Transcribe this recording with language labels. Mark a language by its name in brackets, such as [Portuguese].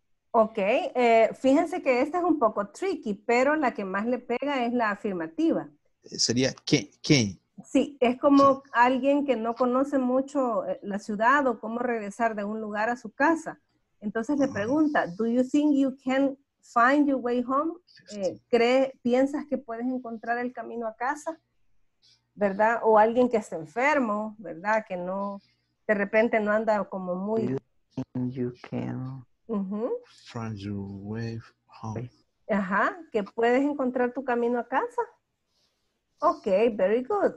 [Spanish] Ok, fíjense que esta es un poco tricky, pero la que más le pega es la afirmativa. Sería can. Sí, es como can. Alguien que no conoce mucho la ciudad o cómo regresar de un lugar a su casa. Entonces le pregunta, [English] do you think you can find your way home? [Spanish] ¿Piensas que puedes encontrar el camino a casa? ¿Verdad? O alguien que está enfermo, ¿verdad? Que no, de repente no anda como muy... [English] Do you think you can find your way home? [Spanish] Ajá, ¿que puedes encontrar tu camino a casa? [English] Ok, very good.